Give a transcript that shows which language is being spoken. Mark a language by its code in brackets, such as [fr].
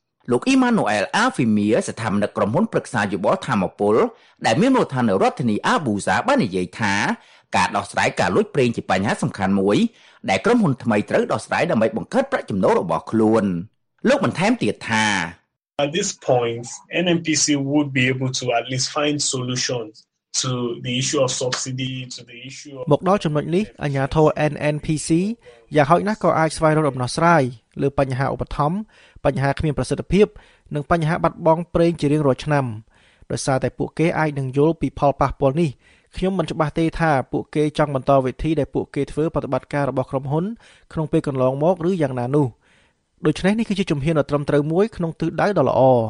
[km] លោកអ៊ីម៉ានូអែលអាហ្វីមៀស្ថាបនិកក្រុមហ៊ុនប្រឹក្សាយោបល់ធម្មពលដែលមានមូលដ្ឋាននៅរដ្ឋធានីអាប៊ូសាបាននិយាយថាការដោះស្រាយការលួចប្រេងជាបញ្ហាសំខាន់មួយដែលក្រុមហ៊ុនថ្មីត្រូវដោះស្រាយដើម្បីបង្កើតប្រាក់ចំណូលរបស់ខ្លួនលោកបន្ថែមទៀតថា [en] At this point NNPC would be able to at least find solutions [km] មកដល់ចំណុចនេះអាជ្ញាធរ NNPC យ៉ាងហោចណាស់ក៏អាចស្វែងរកដំណោះស្រាយលើបញ្ហាឧបត្ថម្ភបញ្ហាគ្មានប្រសិទ្ធភាពនិងបញ្ហាបាត់បង់ប្រេងជារៀងរាល់ឆ្នាំដោយសារតែពួកគេអាចនឹងយល់ពីផលប៉ះពាល់នេះខ្ញុំមិនច្បាស់ទេថាពួកគេចង់បន្តវិធីដែលពួកគេធ្វើបប្រតិបត្តិការរបស់ក្រុមហ៊ុនក្នុងពេលកន្លងមកឬយ៉ាងណានោះដូច្នេះនេះគឺជាជំហានដ៏ត្រឹមត្រូវមួយក្នុងទិសដៅដ៏ល្អ